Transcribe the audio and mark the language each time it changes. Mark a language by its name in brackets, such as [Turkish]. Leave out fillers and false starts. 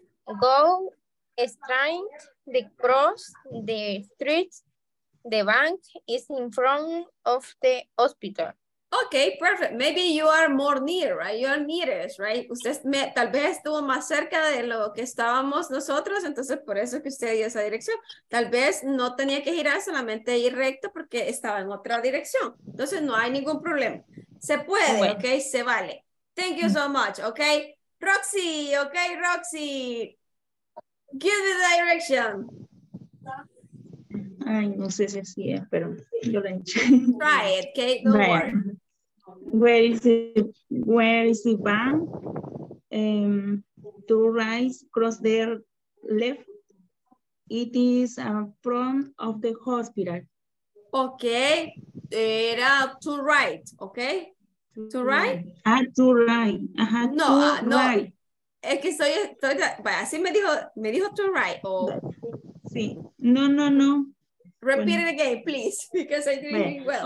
[English] Go straight, the cross, the street, the bank is in front of the hospital. Okay, perfect. Maybe you are more near, right? You are nearest, right? [Spanish] Usted tal vez estuvo más cerca de lo que estábamos nosotros, entonces por eso que usted dio esa dirección. Tal vez no tenía que girar, solamente ir recto porque estaba en otra dirección. Entonces no hay ningún problema. Se puede, bueno. Okay, se vale. [English] Thank you so much, okay? Roxy, give me the direction. [Spanish] Ay, no sé si así es, pero yo lo he hecho. [English] Try it, okay? No more. Where is the bank? To right, cross the left. It is in front of the hospital. Okay, [Spanish] era [English] to right, okay? To right? Ah, to right. Ajá, no, to no. Right. [Spanish] Es que estoy bueno, así me dijo [English] to right. [Spanish] O... Sí. No, no, no. [English] Repeat [Spanish] bueno. [English] It again, please, because I didn't mean well.